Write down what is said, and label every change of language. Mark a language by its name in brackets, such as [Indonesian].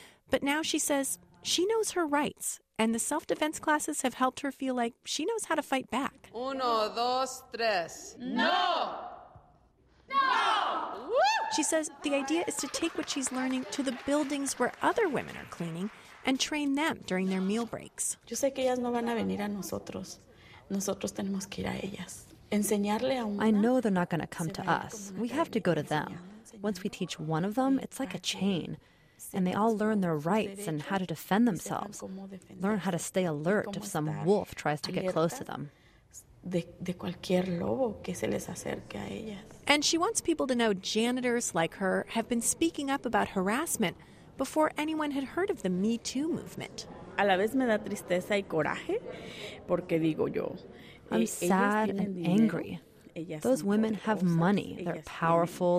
[English] But now she says she knows her rights, and the self-defense classes have helped her feel like she knows how to fight back. [Spanish] Uno, dos, tres. No! No! No! [English] She says the idea is to take what she's learning to the buildings where other women are cleaning and train them during their meal breaks. [Spanish] Yo sé que ellas no van a venir a nosotros. Nosotros tenemos que ir a ellas. Enseñarle a una, [English] I know they're not going to come to us. We have to go to them. Once we teach one of them, it's like a chain. And they all learn their rights and how to defend themselves. Learn how to stay alert if some wolf tries to get close to them. [Spanish] De cualquier lobo que se les acerque a ellas. [English] And she wants people to know janitors like her have been speaking up about harassment before anyone had heard of the Me Too movement. [Spanish] A la vez me da tristeza y coraje, porque digo yo, [English] I'm sad and angry. Those women have money. They're powerful.